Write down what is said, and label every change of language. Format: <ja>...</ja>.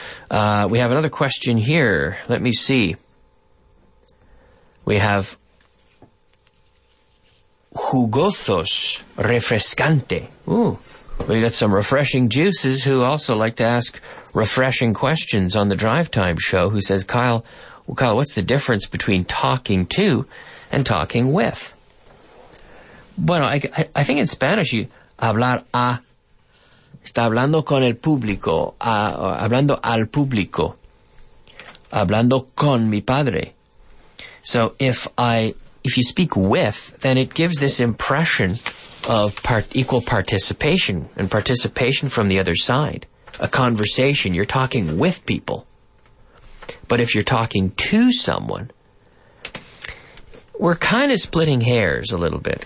<en>We have another question here. Let me see. We have jugosos refrescante. Ooh. We got some refreshing juices who also like to ask refreshing questions on the Drive Time Show, who says, Kyle, what's the difference between talking to and talking with?</en> <es>Bueno, I think in Spanish, hablar a, está hablando con el público, hablando al público, hablando con mi padre.</es> <en>So if you speak with, then it gives this impression of equal participation and participation from the other side. A conversation, you're talking with people. But if you're talking to someone, we're kind of splitting hairs a little bit.</en>